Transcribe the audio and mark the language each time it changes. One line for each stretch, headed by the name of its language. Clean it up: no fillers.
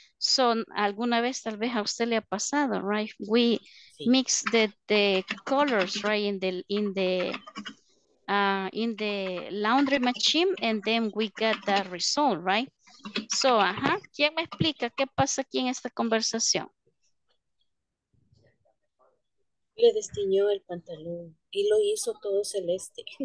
Spanish: So alguna vez tal vez a usted le ha pasado, right? We sí.
English: Mix the colors, right, in the laundry machine, and then we get the result, right?
Spanish: So, ajá, ¿quién me explica qué pasa aquí en esta conversación? Le destiñó el pantalón y lo hizo todo celeste.